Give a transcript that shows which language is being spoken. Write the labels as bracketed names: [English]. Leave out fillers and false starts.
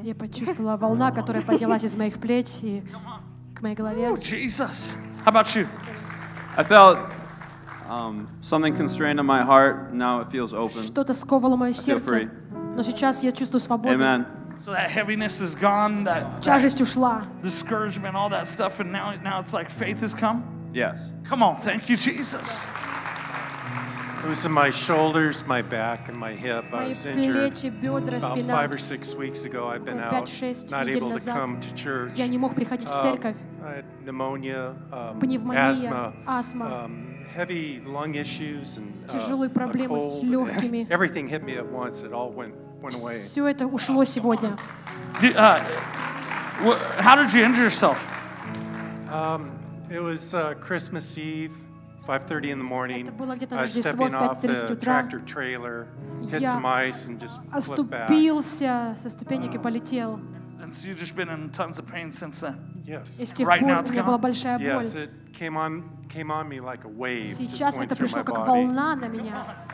[Russian] Я почувствовала волна, которая поднялась из моих плеч и к моей голове. [English] Oh, Jesus. How about you? I felt something constrained in my heart. Now it feels open. [Russian] Что-то сковало мое сердце, но сейчас я чувствую свободу. [English] Amen. So that heaviness is gone. That [Russian] тяжесть ушла. [English] Discouragement, all that stuff, and now it's like faith has come. Yes. Come on, thank you, Jesus. It was in my shoulders, my back, and my hip. I was injured about 5 or 6 weeks ago. I've been out, not able to come to church. [Russian] Я не мог приходить в церковь. [English] I had pneumonia, [Russian] пневмония, [English] астма, heavy lung issues, and [Russian] тяжелые проблемы с легкими. [English] Everything hit me at once. It all went away. [Russian] Все это ушло сегодня. [English] How did you injure yourself? It was Christmas Eve, 5:30 in the morning. [Russian] Это было где-то на Рождество, 5:30 утра. [English] I stepped off the tractor trailer, hit some ice, and just flipped back. [Russian] Оступился со ступенек и полетел. [English] And so you've just been in tons of pain since then. Yes. Right now it's gone. Yes, it came on me like a wave. [Russian] Сейчас это пришло как волна на меня.